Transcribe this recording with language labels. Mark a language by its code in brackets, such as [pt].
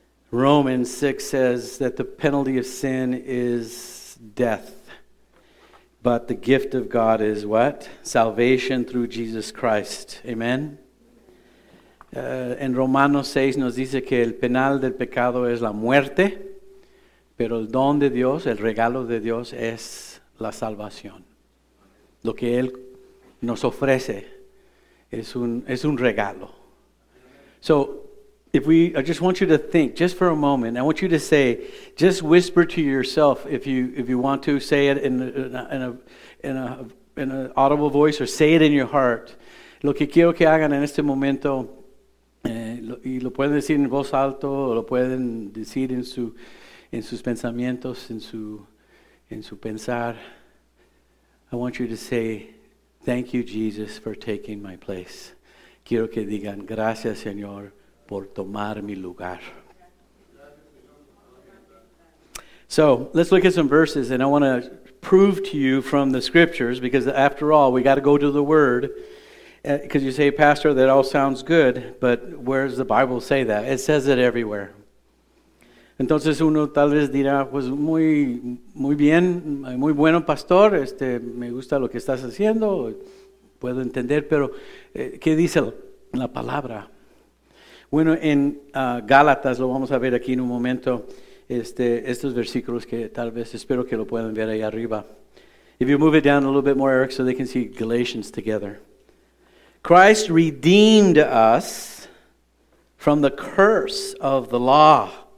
[en] Romans 6 says that the penalty of sin is death, but the gift of God is what? Salvation through Jesus Christ. Amen. [es] En Romanos 6 nos dice que el penal del pecado es la muerte, pero el don de Dios, el regalo de Dios es la salvación. Lo que Él nos ofrece es un regalo. [en] So, I just want you to think, just for a moment, I want you to say, just whisper to yourself, if you want to, say it in an audible voice or say it in your heart. [es] Lo que quiero que hagan en este momento, y lo pueden decir en voz alta, o lo pueden decir en sus pensamientos, en su pensar. [en] I want you to say, thank you, Jesus, for taking my place. [es] Quiero que digan, gracias, Señor, por tomar mi lugar. [en] So, let's look at some verses, and I want to prove to you from the scriptures, because after all, we got to go to the Word. Because you say, Pastor, that all sounds good, but where does the Bible say that? It says it everywhere. [es] Entonces uno tal vez dirá, pues muy, muy bien, muy bueno, Pastor, me gusta lo que estás haciendo, puedo entender, pero ¿qué dice la palabra? Bueno, en Gálatas, lo vamos a ver aquí en un momento, estos versículos que tal vez espero que lo puedan ver ahí arriba. [en] If you move it down a little bit more, Eric, so they can see Galatians together. Christ redeemed us from the curse of the law.